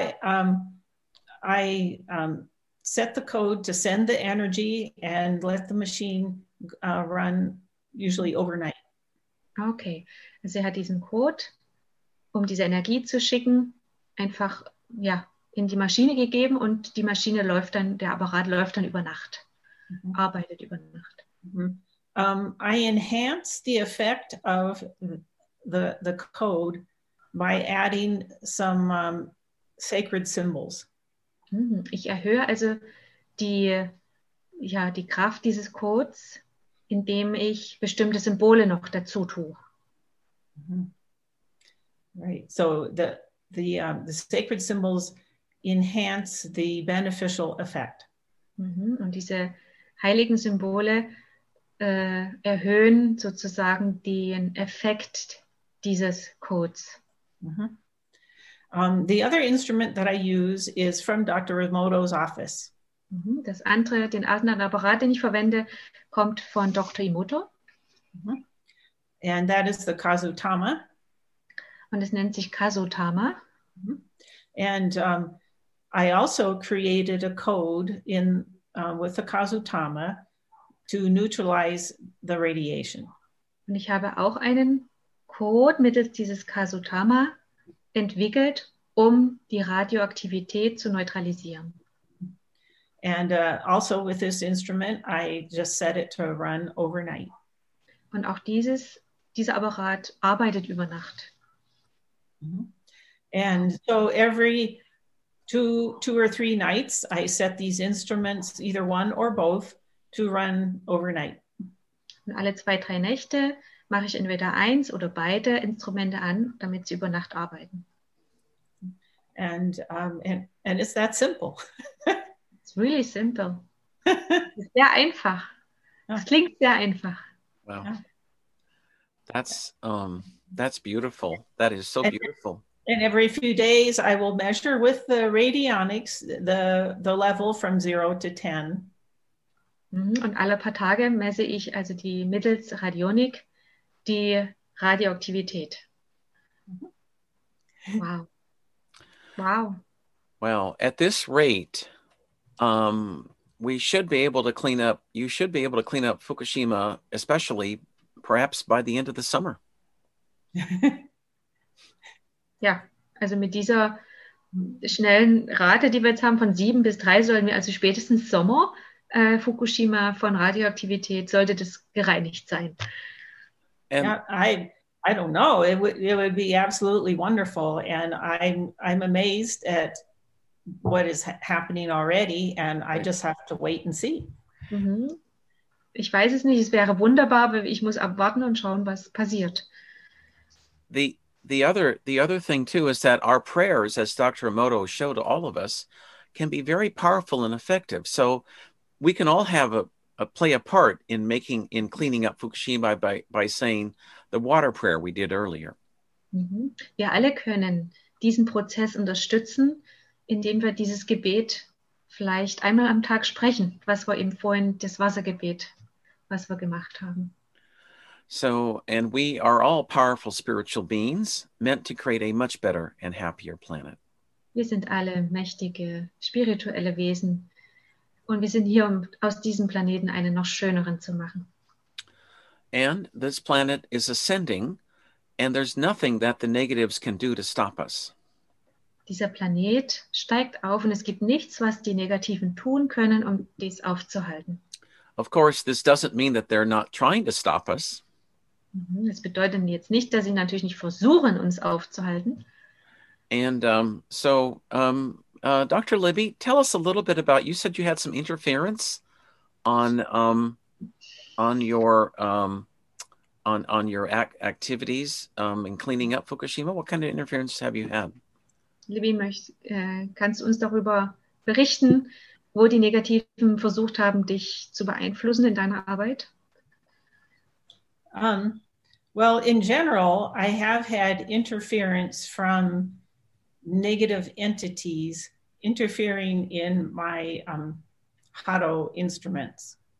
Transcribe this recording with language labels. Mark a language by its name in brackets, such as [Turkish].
[English] And so I set the code to send the energy and let the machine run usually overnight. [German] Okay, also sie hat diesen Code, um diese Energie zu schicken, einfach ja in die Maschine gegeben und die Maschine läuft dann, der Apparat läuft dann über Nacht, arbeitet über Nacht. [English] I enhanced the effect of the code by adding some sacred symbols. [German] Ich erhöhe also die Kraft dieses Codes. indem ich bestimmte Symbole noch dazu tue. [English] Right. So the sacred symbols enhance the beneficial effect. [German] Und diese heiligen Symbole erhöhen sozusagen den Effekt dieses Codes. [English] The other instrument that I use is from Dr. Emoto's office. [German] Das andere, den anderen Apparat, den ich verwende, kommt von Dr. Emoto. [English] And that is the Kazutama. [German] Und es nennt sich Kazutama. [English] And I also created a code in with the Kazutama to neutralize the radiation. [German] Und ich habe auch einen Code mittels dieses Kazutama entwickelt, um die Radioaktivität zu neutralisieren. [English] And also with this instrument, I just set it to run overnight. [German] Und auch dieser Apparat arbeitet über Nacht. [English] And so every two or three nights, I set these instruments, either one or both, to run overnight. [German] Und alle zwei, drei Nächte mache ich entweder eins oder beide Instrumente an, damit sie über Nacht arbeiten. [English] And it's that simple. It's really simple. It's [German] sehr einfach. Es klingt sehr einfach. [English] Wow. That's beautiful. That is so beautiful. And every few days I will measure with the radionics the level from 0 to 10. [German] Und alle paar Tage messe ich also die mittels Radionik die Radioaktivität. [English] Wow. Wow. Well, at this rate, you should be able to clean up Fukushima, especially perhaps by the end of the summer. [German] Ja, also mit dieser schnellen Rate, die wir jetzt haben von 7 bis 3, sollen wir also spätestens Sommer Fukushima von Radioaktivität, sollte das gereinigt sein. [English] I don't know. It would be absolutely wonderful, and I'm amazed at what is happening already, and I just have to wait and see. [German] Ich weiß es nicht. Es wäre wunderbar, aber ich muss abwarten und schauen, was passiert. [English] The other thing too is that our prayers, as Dr. Emoto showed all of us, can be very powerful and effective. So we can all have a play a part in making in cleaning up Fukushima by saying the water prayer we did earlier. [German] Wir alle können diesen Prozess unterstützen, indem wir dieses Gebet vielleicht einmal am Tag sprechen, was wir eben vorhin das Wassergebet, was wir gemacht haben. [English] So, and we are all powerful spiritual beings meant to create a much better and happier planet. [German] Wir sind alle mächtige spirituelle Wesen und wir sind hier, um aus diesem Planeten einen noch schöneren zu machen. [English] And this planet is ascending, and there's nothing that the negatives can do to stop us. [German] Dieser Planet steigt auf und es gibt nichts, was die Negativen tun können, um dies aufzuhalten. [English] Of course, this doesn't mean that they're not trying to stop us. [German] Das bedeutet jetzt nicht, dass sie natürlich nicht versuchen, uns aufzuhalten. [English] And Dr. Libby, tell us a little bit about, you said you had some interference on your activities in cleaning up Fukushima. What kind of interference have you had? [German] Libby, kannst du uns darüber berichten, wo die Negativen versucht haben, dich zu beeinflussen in deiner Arbeit? [English] Well, in general, I have had interference from negative entities interfering in my Hado instruments.